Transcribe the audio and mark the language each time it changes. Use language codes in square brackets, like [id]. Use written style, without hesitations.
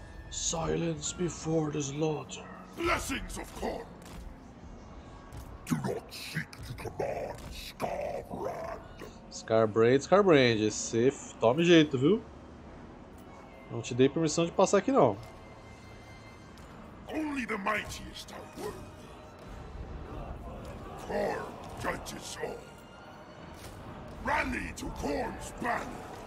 [en] Silence before the slaughter. Blessings of Khorne. Do not seek to command Scarbrand. [pt] Scarbrand, esse tome jeito, viu? Não te dei permissão de passar aqui, não. [en] Only the mightiest are worthy. Khorne judges all. Rally to Khorne's banner.